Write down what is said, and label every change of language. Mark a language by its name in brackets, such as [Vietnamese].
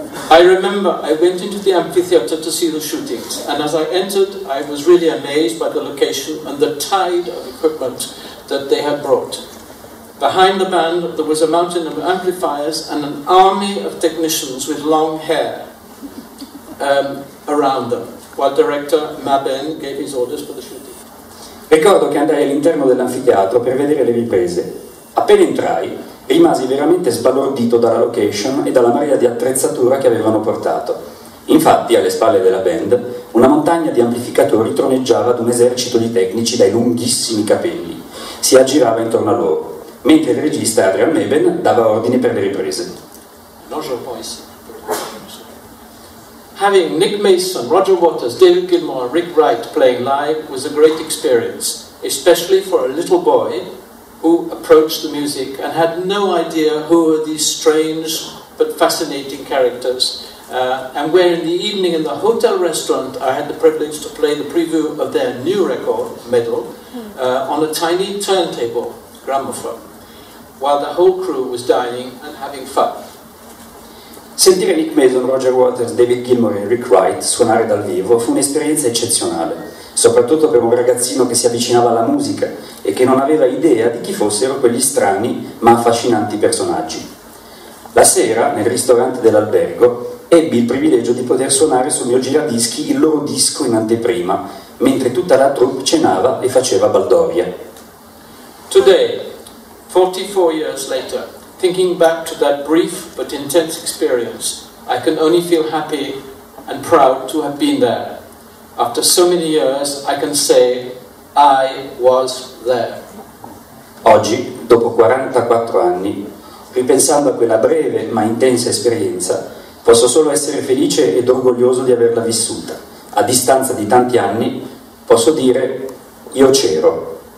[English] I remember I went into the amphitheater to see the shootings, and as I entered I was really amazed by the location and the tide of equipment that they had brought. Behind the band there was a mountain of amplifiers and an army of technicians with long hair around them, while director Mabin gave his orders for the shooting. [Italian] Ricordo che andai all'interno dell'anfiteatro per vedere le riprese. Appena entrai, rimasi veramente sbalordito dalla location e dalla marea di attrezzatura che avevano portato. Infatti, alle spalle della band, una montagna di amplificatori troneggiava ad un esercito di tecnici dai lunghissimi capelli. Si aggirava intorno a loro, mentre il regista Adrian Mabin dava ordini per le riprese. [English] Having Nick Mason, Roger Waters, David Gilmour, Rick Wright playing live was a great experience, especially for a little boy who approached the music and had no idea who were these strange but fascinating characters. And where in the evening in the hotel restaurant I had the privilege to play the preview of their new record, Medal, on a tiny turntable, gramophone, while the whole crew was dining and having fun. [Italian] Sentire Nick Mason, Roger Waters, David Gilmour e Rick Wright suonare dal vivo fu un'esperienza eccezionale, soprattutto per un ragazzino che si avvicinava alla musica e che non aveva idea di chi fossero quegli strani ma affascinanti personaggi. La sera, nel ristorante dell'albergo, ebbi il privilegio di poter suonare sul mio giradischi il loro disco in anteprima, mentre tutta la troupe cenava e faceva baldoria. [English] Today, 44 years later, thinking back to that brief but intense experience, I can only feel happy and proud to have been there. After so many years, I can say I was there. [Italian] Oggi, dopo 44 anni, ripensando a quella breve ma intensa esperienza, posso solo essere felice ed orgoglioso di averla vissuta. A distanza di tanti anni, posso dire io c'ero.